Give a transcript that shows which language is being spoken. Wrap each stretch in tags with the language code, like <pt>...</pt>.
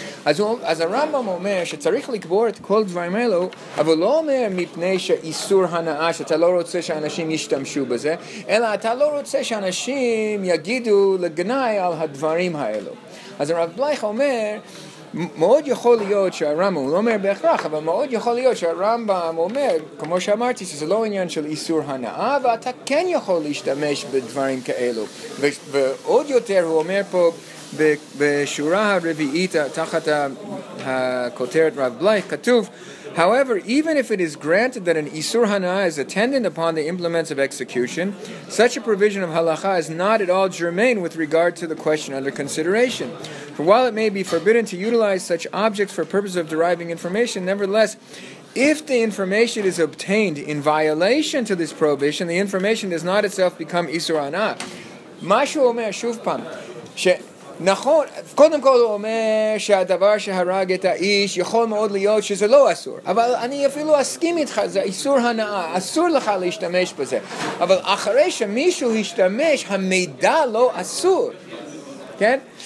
<he>אז הרמב״ם אומר שצריך לקבור את כל דברים אלו, אבל לא אומר מפני שאיסור הנאה, שאתה לא רוצה שאנשים ישתמשו בזה, אלא אתה לא רוצה שאנשים יגידו לגנאי על הדברים האלו. אז הרב בלייך אומר, מאוד יכול להיות שהרמב״ם, הוא לא אומר בהכרח, אבל מאוד יכול להיות שהרמב״ם אומר, כמו שאמרתי, שזה לא עניין של איסור הנאה, ואתה כן יכול להשתמש בדברים כאלו. ועוד יותר הוא אומר פה בשורה הרביעית תחת הכותרת רב בלייך, כתוב,</he> <en>however, even if it is granted that an איסור הנאה is attendant upon the implements of execution, such a provision of הלכה is not at all germane with regard to the question under consideration. For while it may be forbidden to utilize such objects for purposes of deriving information, nevertheless, if the information is obtained in violation to this prohibition, the information does not itself become איסור הנאה.</en> <he>מה שהוא אומר שוב פעם, שנכון, קודם כל הוא אומר שהדבר שהרג את האיש יכול מאוד להיות שזה לא אסור, אבל אני אפילו אסכים איתך, זה איסור הנאה, אסור לך להשתמש בזה. אבל אחרי שמישהו השתמש, המידע לא אסור, כן?</he>